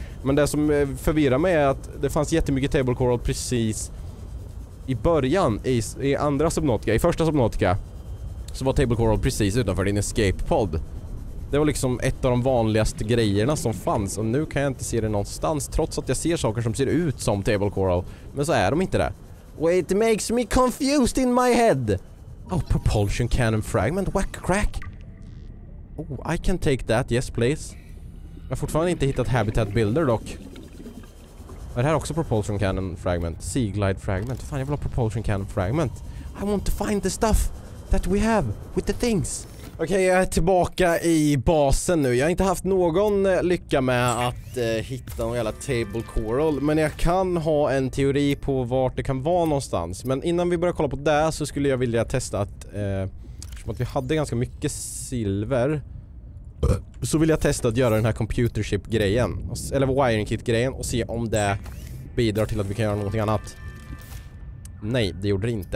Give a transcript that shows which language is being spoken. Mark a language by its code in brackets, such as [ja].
[sv] Men det som förvirrar mig är att det fanns jättemycket table coral precis i början i andra Subnautica, i första Subnautica. Så var table coral precis utanför din escape pod. Det var liksom ett av de vanligaste grejerna som fanns. Och nu kan jag inte se det någonstans. Trots att jag ser saker som ser ut som table coral. Men så är de inte där. [en] Wait, it makes me confused in my head. Oh, propulsion cannon fragment. Whack, crack. Oh, I can take that. Yes, please. [sv] Jag har fortfarande inte hittat habitat builder dock. Är det här också propulsion cannon fragment? Sea glide fragment. Fan, jag vill ha propulsion cannon fragment. [en] I want to find the stuff that we have with the things. [sv] Okej, okay, jag är tillbaka i basen nu. Jag har inte haft någon lycka med att hitta någon jävla table coral. Men jag kan ha en teori på vart det kan vara någonstans. Men innan vi börjar kolla på det så skulle jag vilja testa att eftersom att vi hade ganska mycket silver så vill jag testa att göra den här computer chip grejen eller wiring kit grejen och se om det bidrar till att vi kan göra någonting annat. Nej, det gjorde det inte.